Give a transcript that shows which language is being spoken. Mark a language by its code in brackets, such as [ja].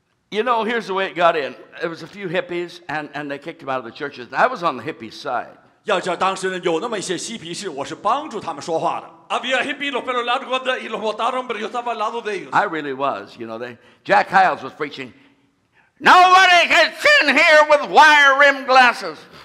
[en] You know, here's the way it got in. There was a few hippies, and they kicked him out of the churches. I was on the hippie side. [zh] 要知道当时有那么一些嬉皮士，我是帮助他们说话的。 [es] Había hippies, los pelos largos, y los botaron, pero yo estaba al lado de ellos. [en] I really was. You know, Jack Hiles was preaching. Nobody can sit here with wire-rimmed glasses.